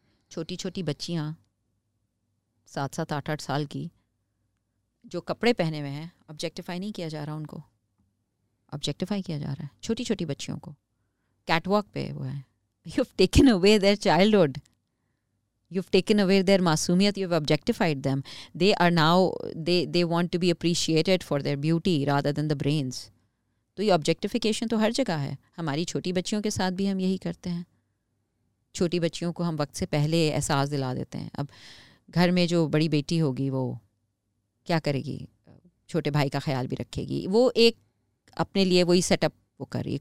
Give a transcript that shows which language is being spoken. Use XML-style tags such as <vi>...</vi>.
<ur>چھوٹی چھوٹی بچیاں 7-7, 8-8 سال کی جو کپڑے پہنے ہوئے ہیں, آبجیکٹیفائی نہیں کیا جا رہا ان کو, آبجیکٹیفائی کیا جا رہا ہے چھوٹی چھوٹی بچیوں کو. کیٹ واک پہ وہ ہیں,</ur> <en>You have taken away their childhood ہوڈ, you have taken away their معصومیت, you have objectified them. They are now they want to be appreciated for their beauty rather than the brains.</en> <ur>تو یہ objectification تو ہر جگہ ہے, ہماری چھوٹی بچیوں کے ساتھ بھی ہم یہی کرتے ہیں. چھوٹی بچیوں کو ہم وقت سے پہلے احساس دلا دیتے ہیں. اب گھر میں جو بڑی بیٹی ہوگی وہ کیا کرے گی, چھوٹے بھائی کا خیال بھی رکھے گی, وہ ایک اپنے لیے وہی سیٹ اپ وہ کر رہی ہے.</ur>